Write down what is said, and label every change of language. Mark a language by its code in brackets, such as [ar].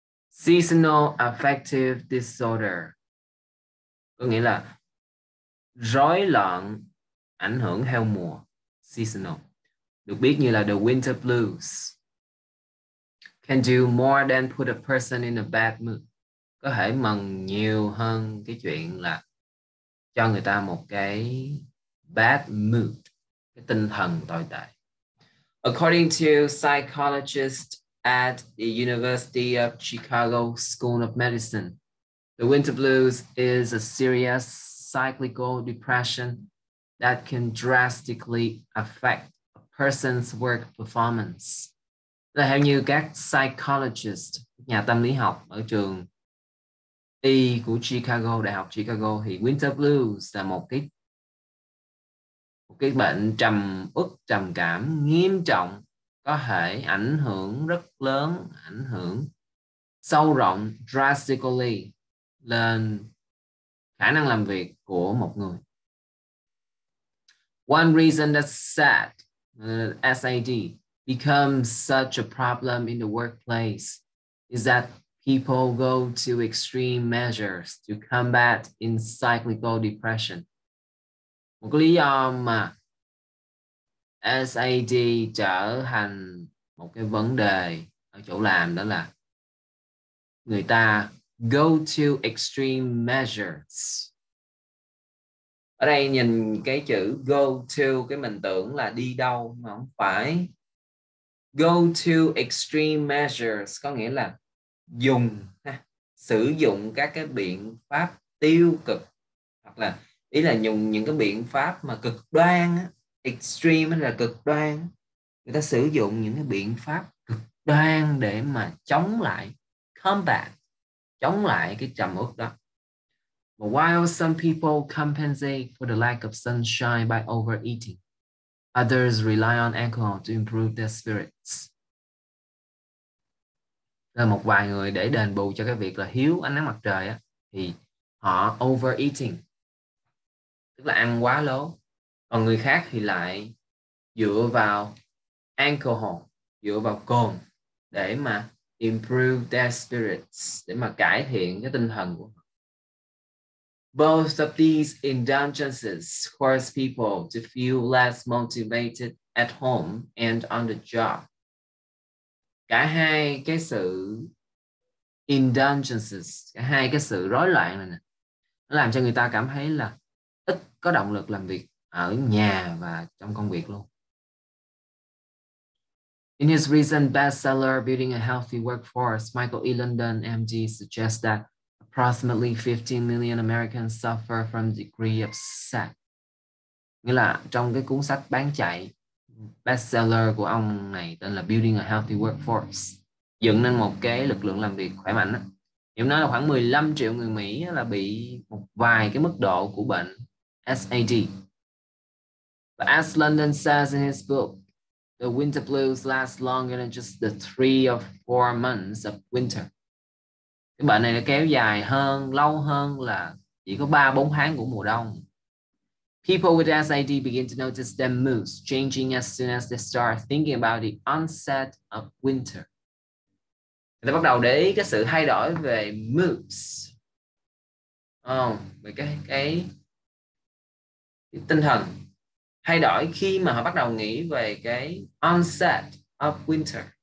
[en] Seasonal affective disorder [vi] có nghĩa là rối loạn ảnh hưởng theo mùa, seasonal, được biết như là [en] the winter blues, can do more than put a person in a bad mood, [vi] có thể mần nhiều hơn cái chuyện là cho người ta một cái bad mood, cái tinh thần tồi tệ. [en] According to psychologist at the University of Chicago School of Medicine, the winter blues is a serious cyclical depression that can drastically affect a person's work performance. [vi] Là theo như các psychologist, nhà tâm lý học ở trường Y của Chicago, Đại học Chicago, thì winter blues là một cái bệnh trầm uất, trầm cảm nghiêm trọng, có thể ảnh hưởng rất lớn, ảnh hưởng sâu rộng, drastically, lên khả năng làm việc của một người. [en] One reason that SAD, SAD, becomes such a problem in the workplace is that people go to extreme measures to combat in cyclical depression. [vi] Một cái lý do mà SAD trở thành một cái vấn đề ở chỗ làm đó là người ta [en] go to extreme measures. [vi] Ở đây nhìn cái chữ go to, cái mình tưởng là đi đâu mà không phải. [en] Go to extreme measures [vi] có nghĩa là dùng, ha, sử dụng các cái biện pháp tiêu cực, hoặc là ý là dùng những cái biện pháp mà cực đoan, extreme là cực đoan, người ta sử dụng những cái biện pháp cực đoan để mà chống lại, combat, chống lại cái trầm uất đó. [en] But while some people compensate for the lack of sunshine by overeating, others rely on alcohol to improve their spirits. [vi] Là một vài người để đền bù cho cái việc là thiếu ánh nắng mặt trời á, thì họ overeating, tức là ăn quá lố. Còn người khác thì lại dựa vào alcohol, dựa vào cồn để mà [en] improve their spirits, [vi] để mà cải thiện cái tinh thần của họ. [en] Both of these indulgences cause people to feel less motivated at home and on the job. [vi] Cả hai cái sự indulgences, cả hai cái sự rối loạn này nè, nó làm cho người ta cảm thấy là ít có động lực làm việc ở nhà và trong công việc luôn. [en] In his recent bestseller, Building a Healthy Workforce, Michael E. London, MD, suggests that approximately 15 million Americans suffer from degree of SAD. [vi] Nghĩa là trong cái cuốn sách bán chạy, bestseller của ông này tên là Building a Healthy Workforce, dựng nên một cái lực lượng làm việc khỏe mạnh, thì ông nói là khoảng 15 triệu người Mỹ là bị một vài cái mức độ của bệnh SAD. [en] But as London says in his book, the winter blues last longer than just the 3 or 4 months of winter. [vi] Cái bệnh này nó kéo dài hơn, lâu hơn là chỉ có 3-4 tháng của mùa đông. [en] People with SAD begin to notice their moods changing as soon as they start thinking about the onset of winter. [vi] Người ta bắt đầu để ý cái sự thay đổi về moods. Về cái tinh thần thay đổi khi mà họ bắt đầu nghĩ về cái [en] onset of winter.